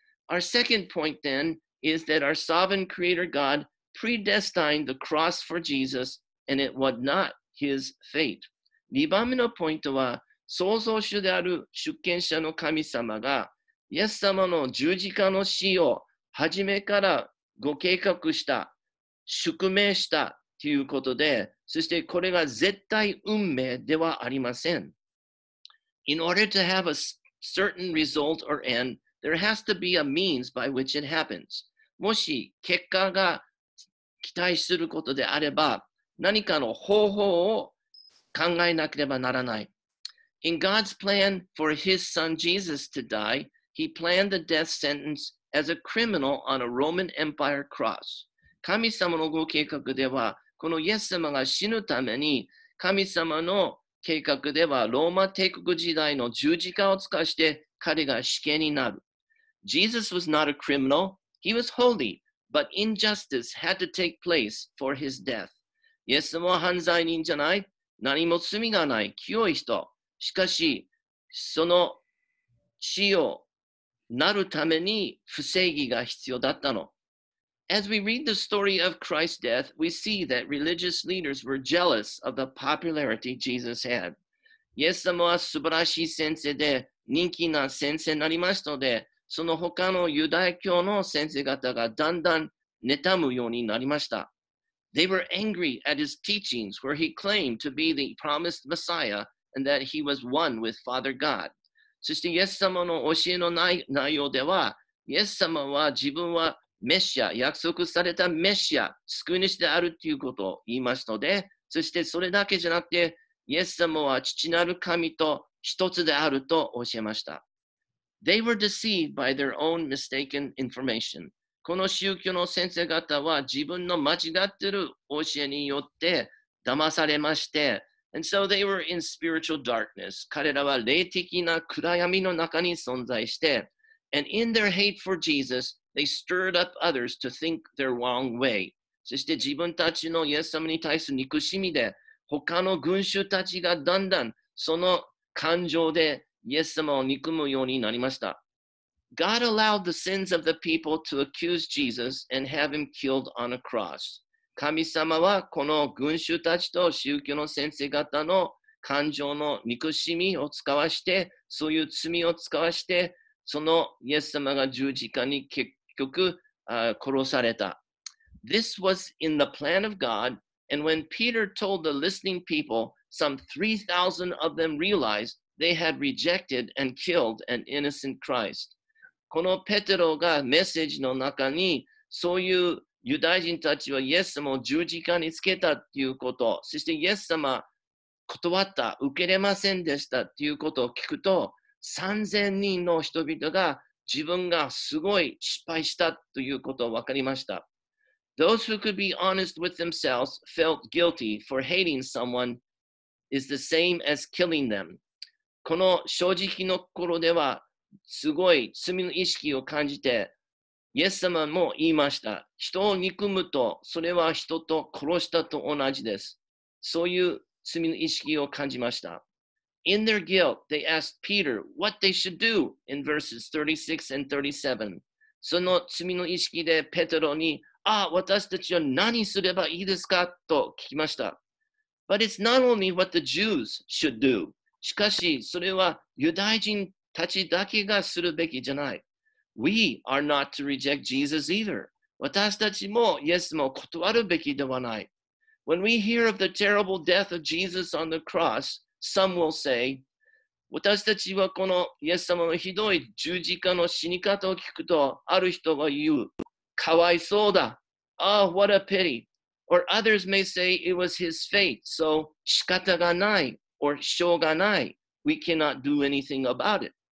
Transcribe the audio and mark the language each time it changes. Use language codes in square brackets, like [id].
[en] Our second point then is that our sovereign creator God predestined the cross for Jesus and it was not his fate. [ja] 2番目のポイントは創造主である主権者の神様がイエス様の十字架の死を初めからご計画した、宿命したということで、そしてこれが絶対運命ではありません。 [en] In order to have a certain result or end, there has to be a means by which it happens. [ja] もし結果が期待することであれば、何かの方法を考えなければならない。 [en] In God's plan for his son Jesus to die, he planned the death sentence as a criminal on a Roman Empire cross. [ja] 神様のご計画では、このイエス様が死ぬために、神様の計画では、ローマ帝国時代の十字架を使わして彼が死刑になる。 [en] Jesus was not a criminal. He was holy, but injustice had to take place for his death. [ja] イエス様は犯罪人じゃない。何も罪がない。清い人。しかし、その死をなるために不正義が必要だったの。 [en] As we read the story of Christ's death, we see that religious leaders were jealous of the popularity Jesus had. [ja] イエス様は素晴らしい先生で人気な先生になりましたので、その他のユダヤ教の先生方がだんだん妬むようになりました。 [en] They were angry at his teachings where he claimed to be the promised Messiah and that he was one with Father God. [ja] そしてイエス様の教えの内容では、イエス様は自分はメシア、約束されたメシア、救い主であるということを言いましたので、そしてそれだけじゃなくて、イエス様は父なる神と一つであると教えました。 [en] They were deceived by their own mistaken information. [ja] この宗教の先生方は自分の間違ってる教えによって騙されまして、 [en] And so they were in spiritual darkness. [ja] 彼らは霊的な暗闇の中に存在して、 [en] And in their hate for Jesus, they stirred up others to think their wrong way. [ja] そして自分たちのイエス様に対する憎しみで、他の群衆たちがだんだんその感情でイエス様を憎むようになりました。 [en] God allowed the sins of the people to accuse Jesus and have him killed on a cross. [ja] 神様はこの群衆たちと宗教の先生方の感情の憎しみを使わして、そういう罪を使わして、そのイエス様が十字架に結局殺された。 [en] This was in the plan of God, and when Peter told the listening people, some 3,000 of them realized they had rejected and killed an innocent Christ. [ja] このペテロがメッセージの中に、そういうユダヤ人たちはイエス様を十字架につけたということ、そしてイエス様断った、受けれませんでしたということを聞くと、3000人の人々が自分がすごい失敗したということを分かりました。 [en] Those who could be honest with themselves felt guilty for hating someone is the same as killing them. [ja] この正直の心ではすごい罪の意識を感じて、イエス様も言いました。人を憎むとそれは人と殺したと同じです。そういう罪の意識を感じました。 [en] In their guilt, they asked Peter what they should do in verses 36 and 37. [ja] その罪の意識でペテロに、ああ、私たちは何すればいいですかと聞きました。 [en] But it's not only what the Jews should do. [ja] しかし、それはユダヤ人たちだけがするべきじゃない。 [en] We are not to reject Jesus either. [ja] 私たちもイエスも断るべきではない。 [en] When we hear of the terrible death of Jesus on the cross,Some will say, [ja] 私たちはこのイエス様のひどい十字架の死に方を聞くと、ある人が言う、かわいそうだ。 [en] Oh, what a pity. Or others may say it was his fate, so [ja] 仕方がない、or しょうがない。 [en] We cannot do anything about it.